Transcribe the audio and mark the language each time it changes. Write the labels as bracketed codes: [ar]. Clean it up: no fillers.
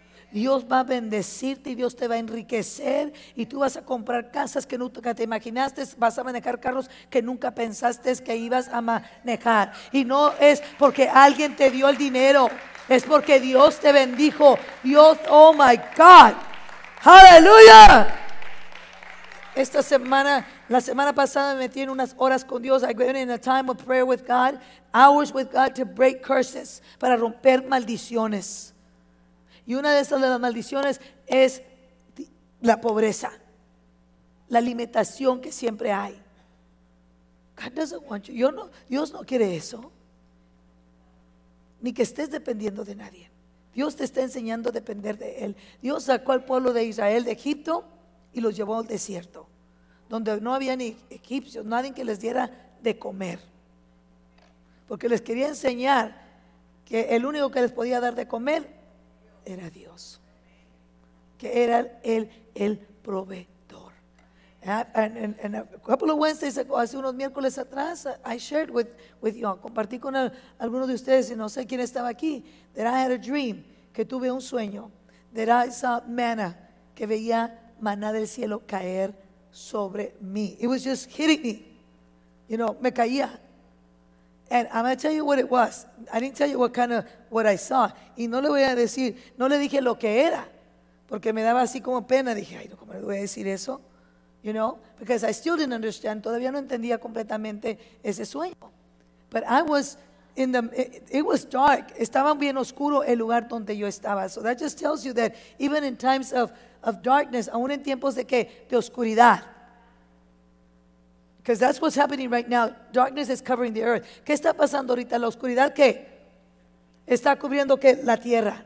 [es] Dios va a bendecirte y Dios te va a enriquecer, y tú vas a comprar casas que nunca te imaginaste, vas a manejar carros que nunca pensaste que ibas a manejar. Y no es porque alguien te dio el dinero, es porque Dios te bendijo. Dios, [en] oh my God, [es] aleluya. Esta semana, la semana pasada me metí en unas horas con Dios. [en] I went in a time of prayer with God, hours with God to break curses, [es] para romper maldiciones. Y una de esas de las maldiciones es la pobreza, la limitación que siempre hay. [en] God doesn't want you. [es] Dios no quiere eso. Ni que estés dependiendo de nadie. Dios te está enseñando a depender de Él. Dios sacó al pueblo de Israel de Egipto y los llevó al desierto, donde no había ni egipcios, nadie que les diera de comer. Porque les quería enseñar que el único que les podía dar de comer era Dios, que era el proveedor. [en] And a couple of Wednesdays ago, [es] hace unos miércoles atrás, [en] I shared with you, [es] compartí con algunos de ustedes, y no sé quién estaba aquí, [en] that I had a dream, [es] que tuve un sueño, [en] that I saw manna, [es] que veía maná del cielo caer sobre mí. [en] It was just hitting me, you know, [es] me caía. [en] And I'm going to tell you what it was. I didn't tell you what kind of, what I saw. [es] Y no le voy a decir, no le dije lo que era, porque me daba así como pena. Dije, ay, no, ¿cómo le voy a decir eso? [en] You know, because I still didn't understand. [es] Todavía no entendía completamente ese sueño. [en] But I was in the, it was dark. [es] Estaba bien oscuro el lugar donde yo estaba. [en] So that just tells you that even in times of darkness, [es] aún en tiempos de qué, de oscuridad. [en] Because that's what's happening right now. Darkness is covering the earth. [es] ¿Qué está pasando ahorita? La oscuridad, ¿qué? Está cubriendo, ¿qué? La tierra.